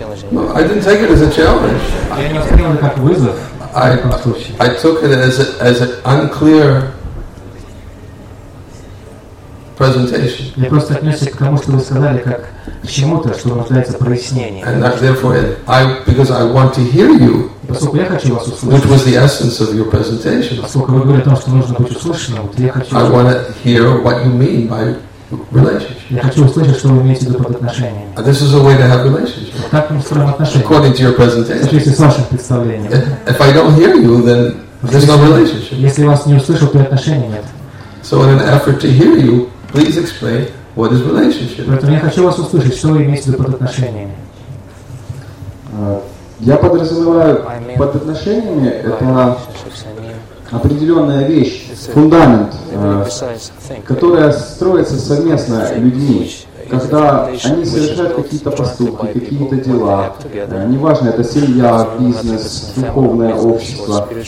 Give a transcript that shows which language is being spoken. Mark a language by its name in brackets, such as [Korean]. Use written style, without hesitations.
[English] No, I didn't take it as a challenge. [Russian] Я не воспринял это как вызов. [English] I took it as an unclear presentation. [Russian] Я просто отнесся к тому, что вы сказали, как к чему-то, что нуждается прояснение. [English] And therefore, because I want to hear you. [Russian] Поскольку я хочу вас услышать. [English] Which was the essence of your presentation. [Russian] Поскольку вы говорили о том, что нужно быть услышанным, вот я хочу. [English] I want to hear what you mean by relationship. [Russian] Я хочу услышать, что вы имеете в виду под отношениями. [English] And this is a way to have relationships. [Russian] Так мы строим отношения. [English] According to your presentation. [Russian] Если с вашим представлением. [English] If I don't hear you, then there's no relationship. [Russian] Если вас не услышал, то отношений нет. [English] So in an effort to hear you, please explain what is relationship. [Russian] Поэтому я хочу вас услышать, что вы имеете в виду под отношениями. Я подразумеваю под отношениями это определенная вещь, фундамент, которая строится совместно людьми. Когда они совершают какие-то поступки, какие-то дела, неважно, это семья, бизнес, духовное общество.